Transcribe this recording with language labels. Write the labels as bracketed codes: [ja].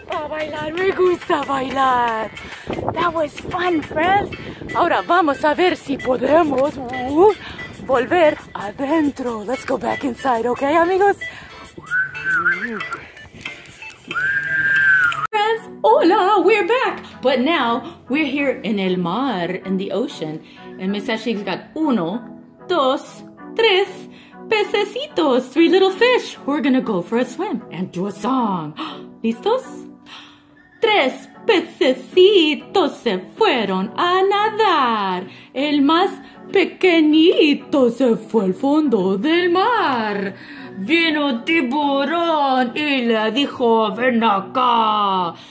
[es] Bailar, me gusta bailar. [en] That was fun, friends. [es] Ahora vamos a ver si podemos volver adentro. [en] Let's go back inside, okay, amigos? Friends, hola, we're back. But now we're here in el mar, in the ocean. And Miss Ashley's got [es] uno, dos, tres pececitos, [en] three little fish. We're gonna go for a swim and do a song. [es] ¿Listos? Tres pececitos se fueron a nadar. El más pequeñito se fue al fondo del mar. Vino tiburón y le dijo, ven acá.